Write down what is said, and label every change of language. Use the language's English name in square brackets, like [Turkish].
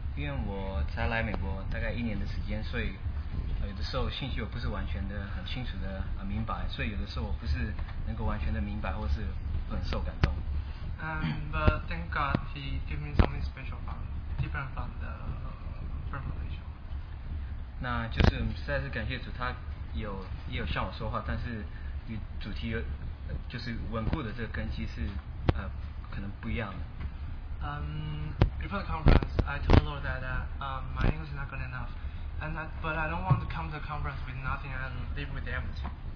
[Chinese] 因为我才来美国大概一年的时间，所以有的时候信息我不是完全的很清楚的明白，所以有的时候我不是能够完全的明白，或是很受感动。 [English] But thank God, He gave me something special for me. different from the Malaysia. [Chinese] 那就是实在是感谢主，他有向我说话， 但是与主题就是稳固的这个根基是可能不一样的。 [English] Before the conference, I told the Lord that my English is not good enough, and that, but I don't want to come to the conference with nothing and leave with empty.